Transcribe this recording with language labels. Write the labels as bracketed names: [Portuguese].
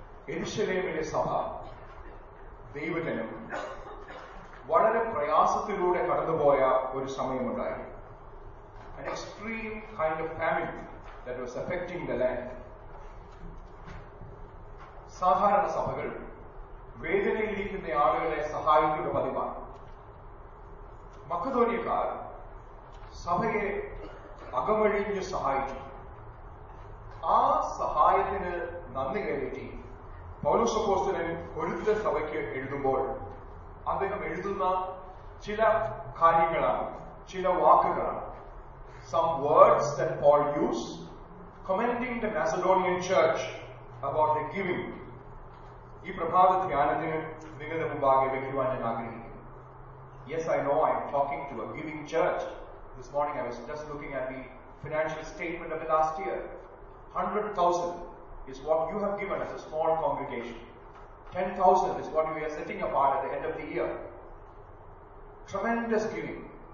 [Malayalam] യെരുശലേമിലെ സഭ ദൈവജനം വളരെ പ്രയാസത്തിലൂടെ കടന്നുപോയ ഒരു സമയമുണ്ടായി. [English] An extreme kind of famine that was affecting the land. [Malayalam] സാധാരണ സഭകൾ വേദനയിലിരിക്കുന്ന ആളുകളെ സഹായിക്കുന്ന പതിവാണ്. മക്കദോനിയക്കാർ സഭയെ അകമഴിഞ്ഞ് സഹായിച്ചു. ആ സഹായത്തിന് നന്ദി കേറ്റി പൗലോസ് അപ്പോസ്തലൻ കൊരിന്ത്യ സഭയ്ക്ക് എഴുതുമ്പോൾ അദ്ദേഹം എഴുതുന്ന ചില കാര്യങ്ങളാണ്, ചില വാക്കുകളാണ്. [English] Some words that Paul used commending the Macedonian church about the giving. [Malayalam] ഈ പ്രഭാത ധ്യാനത്തിന് നിങ്ങളുടെ മുമ്പാകെ വെക്കുവാൻ ഞാൻ ആഗ്രഹിക്കുന്നു. [English] Yes, I know I'm talking to a giving church. This morning I was just looking at the financial statement of the last year. 100,000 is what you have given as a small congregation. 10,000 is what we are setting apart at the end of the year. Tremendous giving.